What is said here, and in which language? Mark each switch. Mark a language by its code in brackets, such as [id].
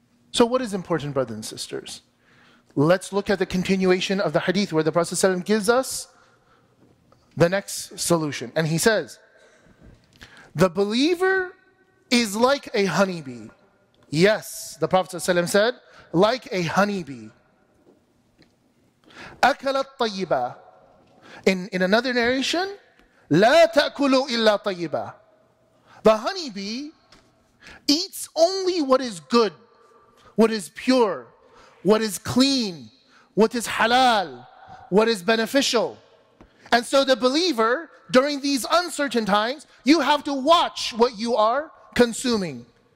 [en] So what is important, brothers and sisters? Let's look at the continuation of the hadith where the Prophet ﷺ gives us the next solution. And he says, the believer is like a honeybee. Yes, the Prophet ﷺ said, like a honeybee. [ar] أَكَلَ الطَّيِّبَ. [en] In another narration, [ar] لَا تَأْكُلُ إِلَّا طَيِّبَ. [en] The honeybee eats only what is good, what is pure, what is clean, what is halal, what is beneficial. And so the believer, during these uncertain times, you have to watch what you are consuming.